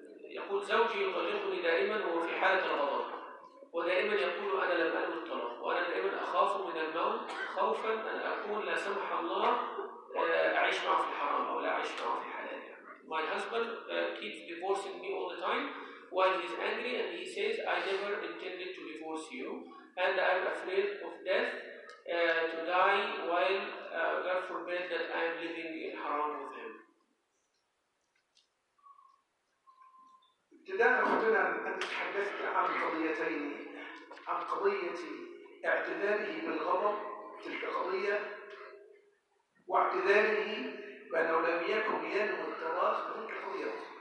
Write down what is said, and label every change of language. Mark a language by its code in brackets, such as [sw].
[ar] يقول زوجي يطلقني دائما وهو في حالة الغضب ودائما يقول أنا لم ألم الطلاق وأنا دائما أخاف من الموت خوفا أن أكون لا سمح الله أعيش معه في الحرام أو لا أعيش معه في حلال. [en] My husband keeps divorcing me all the time while he's angry, and he says I never intended to divorce you, and I'm afraid of death to die while God forbid that I'm living in haram with him. [ar] ابتداء اختنا انت تحدثت عن قضيتين، عن قضيه اعتذاره بالغضب تلك قضيه، واعتذاره بانه لم يكن ينوي الطلاق تلك قضيه.